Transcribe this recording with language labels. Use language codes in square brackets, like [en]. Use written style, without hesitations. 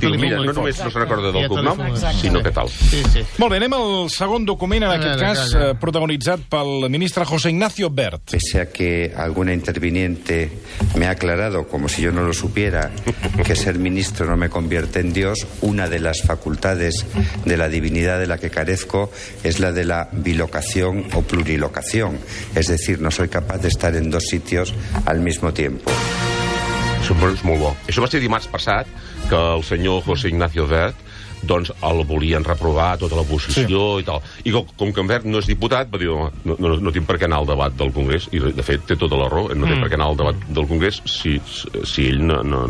[ca] diu, mira, no només no se recorda del cognom, sinó que tal. Sí, sí. Molt bé, anem al segon document, en aquest cas, protagonitzat pel ministre José Ignacio Wert. [es] Pese a que alguna interviniente me ha aclarado, como si yo no lo supiera, que ser ministro no me convierte en Dios, una de las facultades de la divinidad de la que carezco es la de la bilocación o plurilocación. [ca] És a dir, [es] no soy capaz de estar en dos sitios al mismo tiempo. [ca] Això és molt bo. Això va ser dimarts passat que el senyor José Ignacio Wert, doncs, el volien reprovar tota l'oposició, sí, i tal. I com que en Wert no és diputat, va dir, no tinc per què anar al debat del Congrés, i de fet té tota la raó, no té per què anar al debat del Congrés si ell no